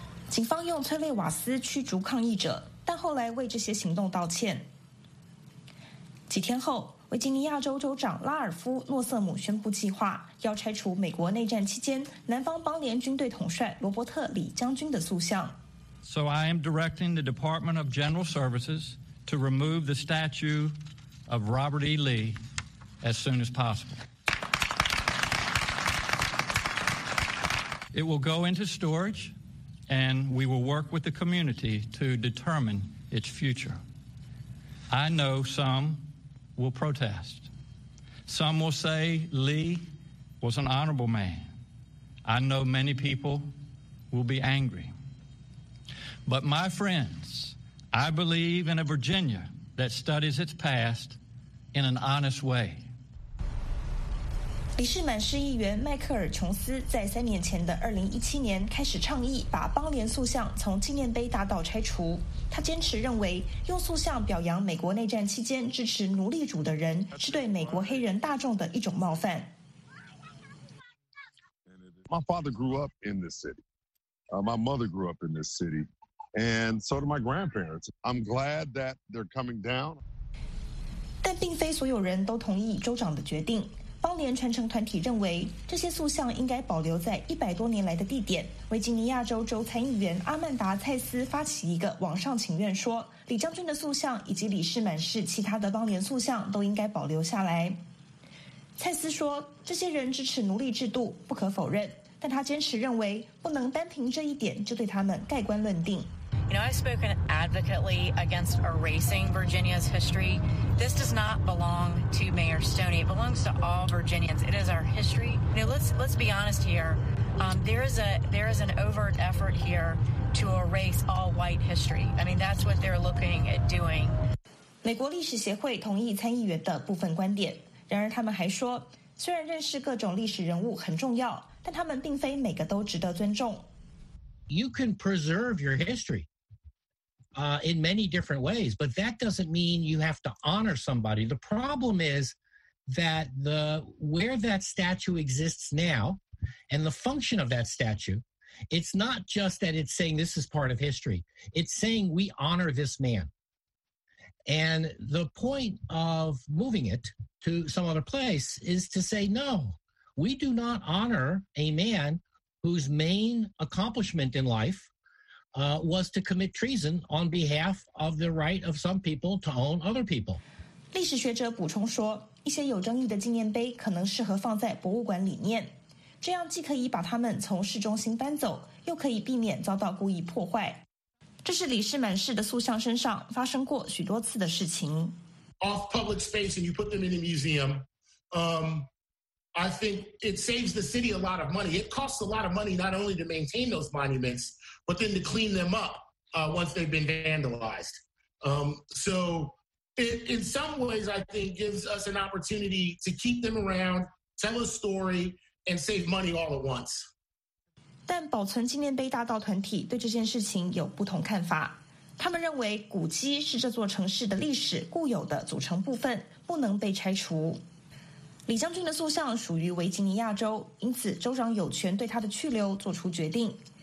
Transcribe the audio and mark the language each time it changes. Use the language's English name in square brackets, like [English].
[Chinese] 警方用催泪瓦斯驱逐抗议者，但后来为这些行动道歉。几天后，维吉尼亚州州长拉尔夫·诺瑟姆宣布计划要拆除美国内战期间南方邦联军队统帅罗伯特·李将军的塑像。 [English] So I am directing the Department of General Services to remove the statue of Robert E. Lee as soon as possible. It will go into storage. And we will work with the community to determine its future. I know some will protest. Some will say Lee was an honorable man. I know many people will be angry. But my friends, I believe in a Virginia that studies its past in an honest way. [Chinese] 李士满市议员迈克尔·琼斯在三年前的2017年开始倡议把邦联塑像从纪念碑大道拆除。他坚持认为，用塑像表扬美国内战期间支持奴隶主的人，是对美国黑人大众的一种冒犯。 [English] My father grew up in this city. My mother grew up in this city, and so do my grandparents. I'm glad that they're coming down. [Chinese] 但并非所有人都同意州长的决定。邦联传承团体认为，这些塑像应该保留在100多年来的地点。维吉尼亚州州参议员阿曼达·蔡斯发起一个网上请愿，说李将军的塑像以及李士满市其他的邦联塑像都应该保留下来。蔡斯说，这些人支持奴隶制度不可否认，但他坚持认为不能单凭这一点就对他们盖棺论定。 [English] You know, I've spoken advocately against erasing Virginia's history. This does not belong to Mayor Stoney. It belongs to all Virginians. It is our history. You know, let's be honest here. There is an overt effort here to erase all white history. I mean, that's what they're looking at doing. [Chinese] 美国历史协会同意参议员的部分观点，然而他们还说，虽然认识各种历史人物很重要，但他们并非每个都值得尊重。 [English] You can preserve your history, in many different ways, but that doesn't mean you have to honor somebody. The problem is that where that statue exists now, and the function of that statue, it's not just that it's saying this is part of history. It's saying we honor this man. And the point of moving it to some other place is to say, no, we do not honor a man whose main accomplishment in life, was to commit treason on behalf of the right of some people to own other people. [Chinese] 历史学者补充说，一些有争议的纪念碑可能适合放在博物馆里面，这样既可以把它们从市中心搬走，又可以避免遭到故意破坏。这是李士满市的塑像身上发生过许多次的事情。 [English] Off public space and you put them in a museum, I think it saves the city a lot of money. It costs a lot of money not only to maintain those monuments, but then to clean them up, once they've been vandalized. So it, in some ways, I think gives us an opportunity to keep them around, tell a story, and save money all at once. [Chinese] 但保存纪念碑大道团体对这件事情有不同看法。他们认为古迹是这座城市的历史固有的组成部分，不能被拆除。李将军的塑像属于维吉尼亚州，因此州长有权对他的去留做出决定。